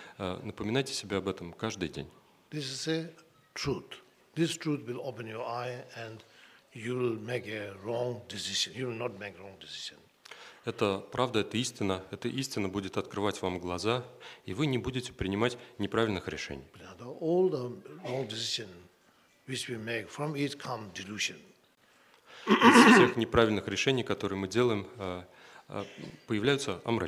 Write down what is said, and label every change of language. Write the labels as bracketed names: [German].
[Russian] Напоминайте себе об этом каждый день. [English] This is a truth. This truth will open your eye and you will make a wrong decision. You will not make a wrong decision. [Russian] Это правда, это истина. Эта истина будет открывать вам глаза, и вы не будете принимать неправильных решений. Из всех неправильных решений, которые мы делаем, появляются